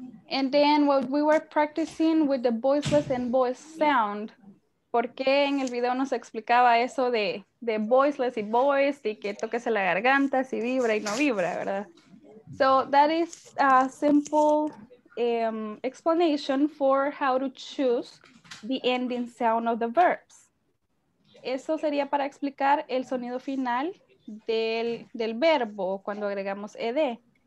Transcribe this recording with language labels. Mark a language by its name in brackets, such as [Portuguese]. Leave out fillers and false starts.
[English] And then what we were practicing with the voiceless and voice sound. [Spanish] Porque en el video nos explicaba eso de voiceless y voice, y que toques la garganta, si vibra y no vibra, ¿verdad? [English] So that is a simple explanation for how to choose the ending sound of the verbs. [Spanish] Eso sería para explicar el sonido final del verbo cuando agregamos ed.